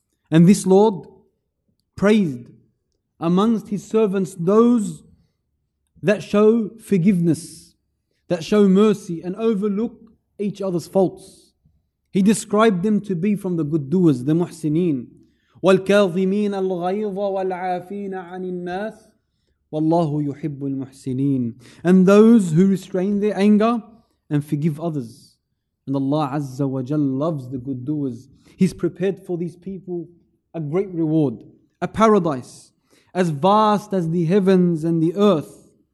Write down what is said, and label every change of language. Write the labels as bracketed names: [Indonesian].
[English] And this Lord praised amongst his servants those that show forgiveness, that show mercy and overlook each other's faults. He described them to be from the good doers, the muhsineen. [Arabic] والكاظمين الغيظ والعافين عن الناس وَاللَّهُ يُحِبُّ الْمُحْسِنِينَ. [English] And those who restrain their anger and forgive others. And Allah Azza wa Jal loves the good doers. He's prepared for these people a great reward, a paradise as vast as the heavens and the earth.